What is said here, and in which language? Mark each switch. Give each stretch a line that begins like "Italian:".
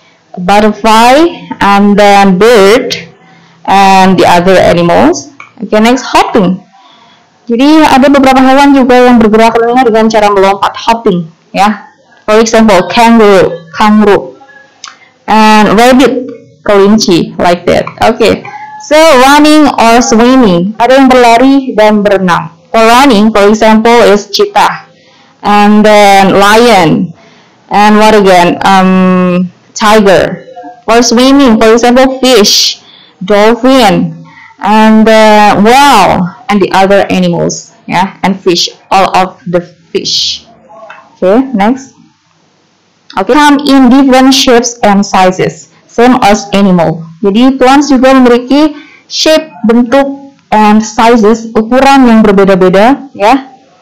English: Butterfly and then bird and the other animals. Okay, next, hopping.
Indonesian: Jadi ada beberapa hewan juga yang bergerak dengan cara melompat, hopping, ya.
English: For example, kangaroo and rabbit, kelinci, like that. Okay, so running or swimming.
Indonesian: Ada yang berlari dan berenang.
English: For running, for example, is cheetah and then lion and what again? Tiger. For swimming, for example, fish, dolphin, and whale, and the other animals, yeah, and fish, all of the fish. Okay, next. Okay, come in different shapes and sizes, same as animal.
Indonesian: Jadi, plants juga memiliki shape, bentuk,
English: and sizes,
Indonesian: ukuran yang berbeda-beda, yeah.